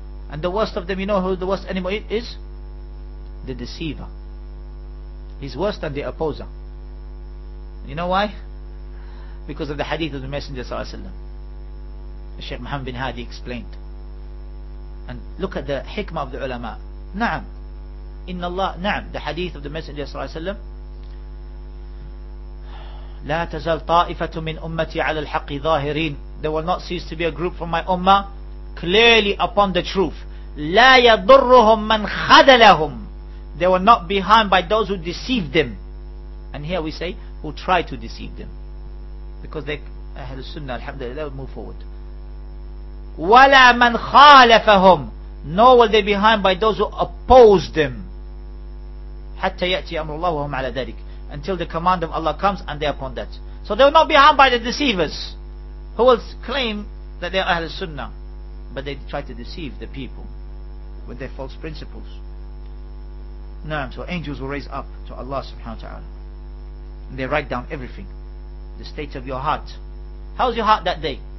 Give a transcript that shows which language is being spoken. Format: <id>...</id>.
<en>And the worst of them, you know who the worst enemy is? The deceiver. He's worse than the opposer. You know why? Because of the hadith of the Messenger Sallallahu Alaihi Wasallam. Sheikh Muhammad bin Hadi explained. And look at the hikmah of the ulama.</en> <ar>Na'am. إن الله نعم.</ar> <en>The hadith of the Messenger صلى الله عليه وسلم,</en> <ar>لا تزال طائفة من أمتي على الحق ظاهرين.</ar> <en>There will not cease to be a group from my ummah clearly upon the truth.</en> <ar>لا يضرهم من خذلهم.</ar> <en>They will not be harmed by those who deceive them. And here we say who try to deceive them, because they</en> <ar>أهل السنة الحمد لله,</ar> <en>they will move forward.</en> <ar>ولا من خالفهم.</ar> <en>Nor will they be harmed by those who oppose them.</en> <ar>حتى يأتي أمر الله وهم على ذلك.</ar> <en>Until the command of Allah comes and they are upon that. So they will not be harmed by the deceivers who will claim that they are Ahl Sunnah, but they try to deceive the people with their false principles.</en> <ar>نعم.</ar> <en>So angels will raise up to Allah subhanahu wa ta'ala, and they write down everything, the state of your heart. How's your heart that day?</en>